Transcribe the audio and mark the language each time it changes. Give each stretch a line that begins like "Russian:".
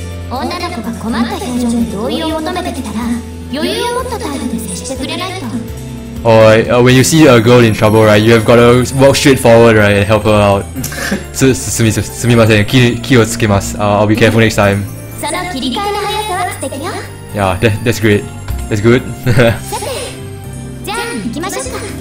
Japanese: 女の子が困った表情に同意を求めてきたら、余裕を持った態度で接してくれないと。
English: Alright, when you see a girl in trouble, right, you have got to walk straight forward, right, and help her out.
Japanese: すみません。気をつけます。
English: I'll be careful next time.
Japanese: その切り替えの速さは素敵よ。
English: Yeah, that's great. That's good.
Japanese: じゃあ、行きましょうか。